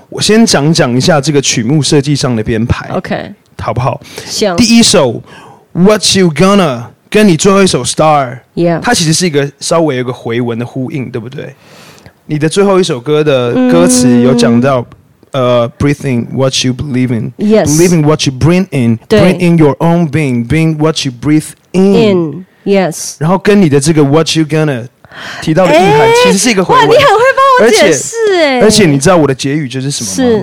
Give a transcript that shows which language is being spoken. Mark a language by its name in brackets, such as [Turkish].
[Chinese] 我先讲一下这个曲目设计上的编排 [English] ，OK， [Chinese] 好不好？行。第一首 What You Gonna 跟你最后一首 Star， [English] yeah， [Chinese] 它其实是一个稍微有个回文的呼应，对不对？你的最后一首歌的歌词有讲到， [English] breathing what you believe in, yes, believing what you bring in, bring in your own being, being what you breathe in, in, yes. [Chinese] 然后跟你的这个 what you gonna 提到的意涵，其实是一个回文。哇，你很会帮我解释哎！而且你知道我的结语就是什么吗？